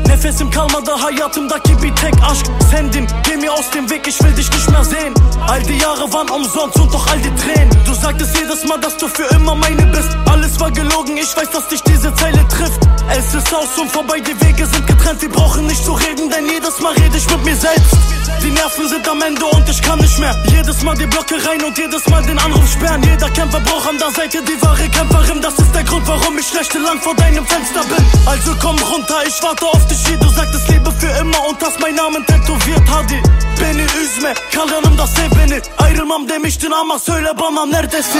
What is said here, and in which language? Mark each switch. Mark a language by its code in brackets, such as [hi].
[tr] Nefesim kalmadı, hayatımdaki bir tek aşk sendin. [de] Geh mir aus dem Weg, ich will dich nicht mehr sehen. All die Jahre waren umsonst und doch all die Tränen. Du sagtest jedes Mal, dass du für immer meine bist. Alles war gelogen, ich weiß, dass dich diese Zeile trifft. Es ist aus und vorbei, die Wege sind getrennt. Wir brauchen nicht zu reden, denn jedes Mal rede ich mit mir selbst. Die Nerven sind am Ende und ich kann nicht mehr. Jedes Mal die Blöcke rein und jedes Mal den Anruf sperren. Jeder Kämpfer braucht an der Seite die wahre Kämpferin. Das ist der Grund, warum ich schlechte lang vor deinem Fenster bin. Also komm runter, ich warte auf dich hier. Du sagtest Liebe für immer und hast meinen Namen tätowiert. [tr] Hadi, beni üzme, kalanım da sebeni. Ayrılmam demiştin ama söyle bana neredesin.